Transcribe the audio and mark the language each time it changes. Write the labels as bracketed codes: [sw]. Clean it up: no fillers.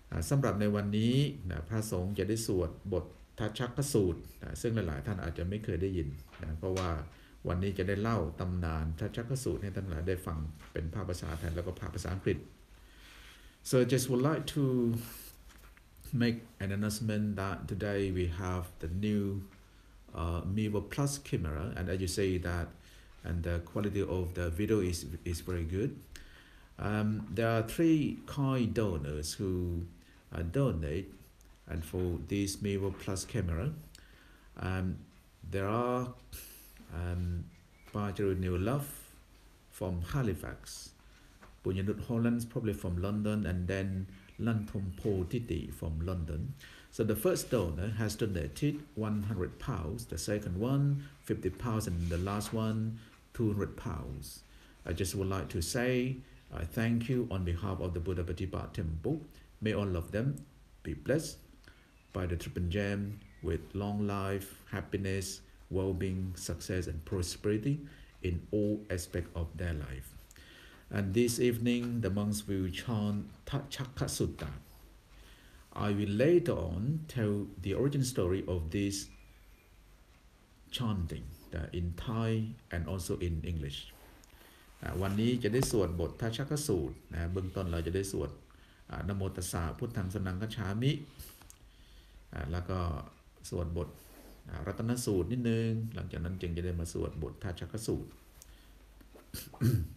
[th] สำหรับในวันนี้นะพระสงฆ์จะได้สวดบททัชชักสูตรนะซึ่งหลายๆท่านอาจจะไม่เคยได้ยินนะเพราะว่าวันนี้จะได้เล่าตำนานทัชชักสูตรให้ท่านหลายได้ฟังเป็นภาษาไทยแล้วก็ภาษาอังกฤษ [en] So just would like toMake an announcement that today we have the new Mevo Plus camera, and as you say that, and the quality of the video is very good. There are three kind donors who donate, and for this Mevo Plus camera, there are Pajaru New Love from Halifax, Bunyanut Hollands probably from London, and then. Lan Thom Po Titi from London. So the first donor has donated £100, the second one £50, and the last one £200. I just would like to say I thank you on behalf of the Buddha Patipat Temple. May all of them be blessed by the Triple Gem with long life, happiness, well-being, success, and prosperity in all aspects of their life. And this evening, the monks will chant Tachaka Sutta. I will later on tell the origin story of this chanting in Thai and also in English. [th] วันนี้จะได้สวดบท Tachaka Sutta. เบื้องต้นเราจะได้สวดนโมตัสสะพุทธังสรณังคัจฉามิแล้วก็สวดบทรัตนสูตรนิดนึงหลังจากนั้นจึงจะได้มาสวดบท Tachaka Sutta.